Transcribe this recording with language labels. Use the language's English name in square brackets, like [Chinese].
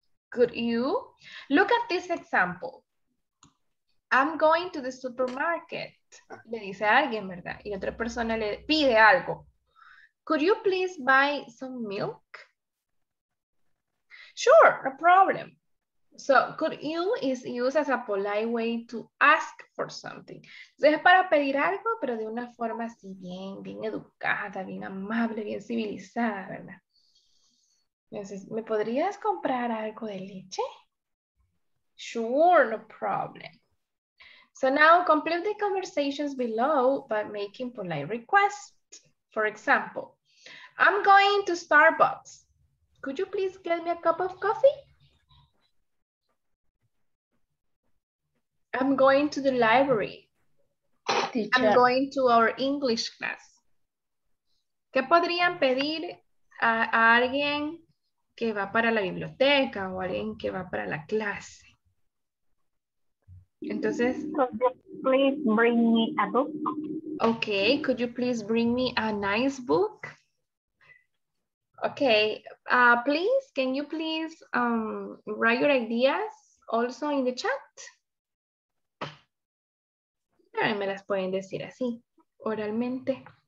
[English] Could you look at this example? I'm going to the supermarket. [Spanish] Le dice a alguien, ¿verdad? Y otra persona le pide algo. [English] Could you please buy some milk? Sure, no problem. So, could you is used as a polite way to ask for something. [Spanish] Entonces, es para pedir algo, pero de una forma así bien, bien educada, bien amable, bien civilizada, ¿verdad? Entonces, ¿me podrías comprar algo de leche? [English] Sure, no problem. So now complete the conversations below by making polite requests. For example, I'm going to Starbucks. Could you please get me a cup of coffee? I'm going to the library. Teacher. I'm going to our English class. [Spanish] ¿Qué podrían pedir a alguien que va para la biblioteca o alguien que va para la clase? Entonces, [English] please bring me a book? Okay, could you please bring me a nice book? Okay, please, can you please write your ideas also in the chat? [Spanish] Ahí me las pueden decir así, oralmente.